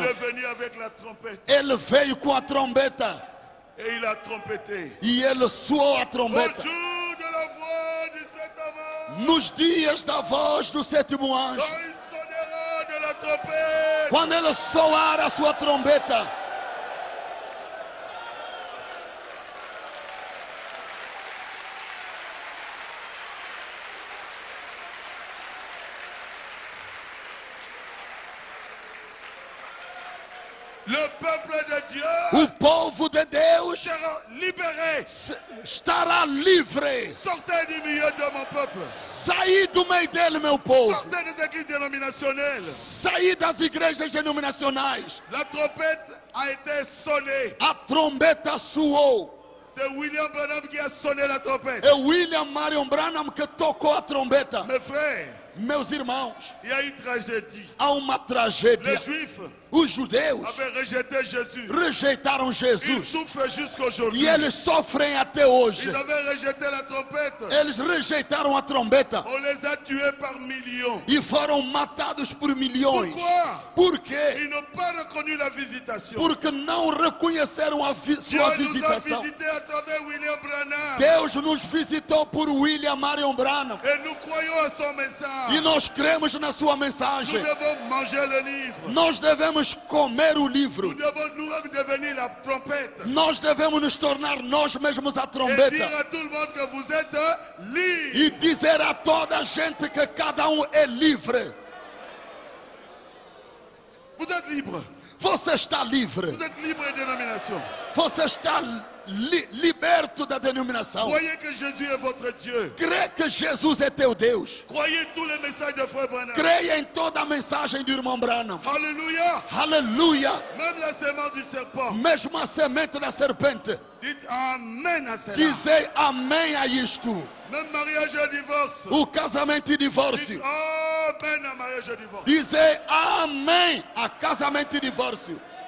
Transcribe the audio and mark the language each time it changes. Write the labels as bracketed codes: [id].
[fr] Il est venu avec la trompette. [pt] Ele veio com a trombeta. [fr] Et il a trompeté. [pt] E ele soou a trombeta. [fr] Au jour de la voix du septième ange. [pt] Nos dias da voz do sétimo anjo. [fr] Quand il sonnera de la trompette. [pt] Quando ele soar a sua trombeta. [fr] Le peuple de Dieu, [pt] o povo de Deus, [fr] sera libéré, [pt] estará livre. [fr] Sortez du milieu de mon peuple. [pt] Saí do meio dele, meu povo. [fr] Sortez des églises dénominationnelles. [pt] Saí das igrejas denominacionais. [fr] La trompette a été sonnée. [pt] A trombeta soou. [fr] C'est William Branham qui a sonné la trompette. [pt] É William Marion Branham que tocou a trombeta. [fr] Mes frères, [pt] meus irmãos, e aí tragédia. Há uma tragédia. [fr] Les Juifs, [pt] os judeus, [fr] avaient rejeté Jésus. [pt] Rejeitaram Jesus. [fr] Ils souffrent jusqu'aujourd'hui. [pt] E eles sofrem até hoje. [fr] Ils avaient rejeté la trompette. [pt] Eles rejeitaram a trombeta. [fr] On les a tués par millions. [pt] E foram matados por milhões. [fr] Pourquoi? [pt] Porque? [fr] Ils n'ont pas reconnu la visitation. [pt] Porque não reconheceram a sua visitação. [fr] Dieu nous a visité à travers William Branham. [pt] Deus nos visitou por William Marion Branham. [fr] Et nous croyons à son message. [pt] E nós cremos na sua mensagem. [fr] Nous devons manger le livre. [pt] Nós devemos comer o livro. [fr] Nous devons nous devenir la trompette. [pt] Nós devemos nos tornar nós mesmos a trombeta. [fr] Et dire à tout le monde que vous êtes libre. [pt] E dizer a toda a gente que cada é livre. [fr] Vous êtes libre. [pt] Você está livre. [fr] Vous êtes libre de denomination. [pt] Você está liberto da denominação. [fr] Croyez que Jésus est votre Dieu. [pt] Crê que Jesus é teu Deus. [fr] Croyez tous les messages de Frère Branham. [pt] Creia em toda a mensagem do irmão Branham. Aleluia. Aleluia. [fr] Même la semente du serpent. [pt] Mesmo a semente da serpente. [fr] Dites amen à cela. [pt] Dizei amém a isto. [fr] Même mariage et divorce. [pt] O casamento e divórcio. [fr] Dites amen à mariage et divorce. [pt] Dizei amém a casamento e divórcio.